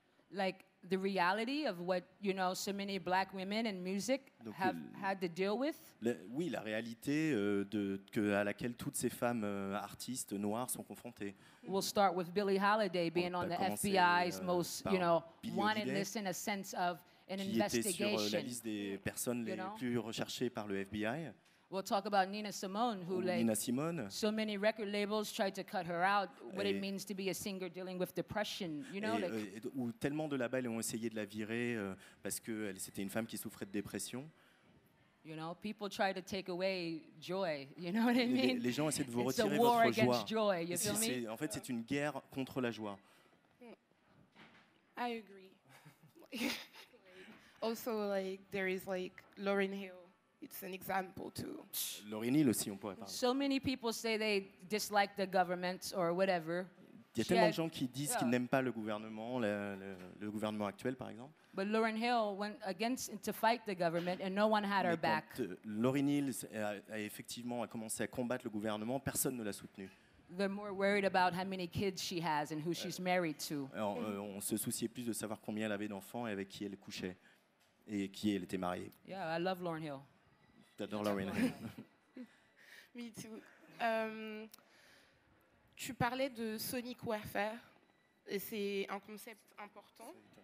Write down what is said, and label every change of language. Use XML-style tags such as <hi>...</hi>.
<en>Like the reality of what, you know, so many black women in music have had to deal with.</en> <fr>Oui, la réalité à laquelle toutes ces femmes artistes noires sont confrontées.</fr> <en>We'll start with Billie Holiday being on the FBI's most, you know, wanted list in a sense of an investigation.</en> <fr>Qui était sur la liste des personnes les plus recherchées par le FBI.</fr> <en>We'll talk about Nina Simone, who so many record labels tried to cut her out. What it means to be a singer dealing with depression, you know?</en> <fr>Ou tellement de labels ont essayé de la virer parce que c'était une femme qui souffrait de dépression.</fr> <en>You know, people try to take away joy. You know what I mean?</en> <fr>Les gens essaient de vous retirer votre joie.</fr> <en>It's a war against joy. You feel me?</en> <fr>En fait, c'est une guerre contre la joie.</fr> <en>I agree. Also, like, there is, like, Lauryn Hill. It's an example, too.</en> <fr>Lauryn Hill aussi, on pourrait parler.</fr> <en>So many people say they dislike the government or whatever.</en> <fr>Il y a tellement de gens qui disent qu'ils n'aiment pas le gouvernement, le gouvernement actuel, par exemple.</fr> <en>But Lauryn Hill went against to fight the government, and no one had her back.</en> <fr>Lauryn Hill a effectivement a commencé à combattre le gouvernement. Personne ne l'a soutenue.</fr> <en>They're more worried about how many kids she has and who she's married to.</en> <fr>On se souciait plus de savoir combien elle avait d'enfants et avec qui elle couchait et qui elle était mariée.</fr> <en>Yeah, I love Lauryn Hill.</en> <fr>T'adores Lauryn Hill.</fr> <en>Me too.</en> <fr>Tu parlais de sonic warfare, et c'est un concept important.</fr>